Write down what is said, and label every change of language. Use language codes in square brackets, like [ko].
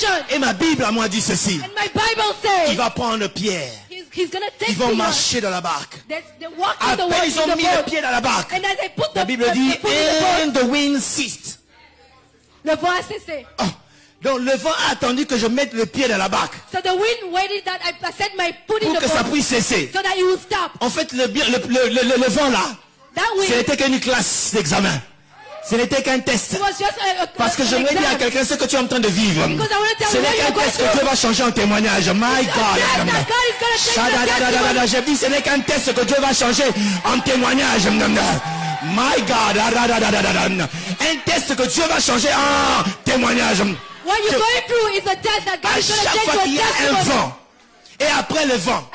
[fr] Et ma Bible à moi dit ceci. Il va prendre Pierre. Ils vont marcher dans la barque. Après, ils ont mis le pied dans la barque. La Bible dit, [en] and the wind ceased. [fr] Le vent a cessé. Donc le vent a attendu que je mette le pied dans la barque. [en] So the wind waited that I set my foot in the boat. [fr] Pour que ça puisse cesser. [en] So that it will stop. [fr] En fait, le vent là, [en] that wind, [fr] ce n'était qu'une classe d'examen. Ce n'était qu'un test. [en] It was just [fr] parce que j'aimerais dire à quelqu'un ce que tu es en train de vivre. [en] Because I want to tell [fr] ce n'est qu'un test que Dieu va changer en témoignage. [en] My God. [fr] J'ai dit, ce n'est qu'un test que Dieu va changer en témoignage. [en] My God. [fr] Un test que Dieu va changer en témoignage. [en] What you're going through is a test that God is going to change your testimony. [fr] À chaque fois qu'il y a un vent, et après le vent,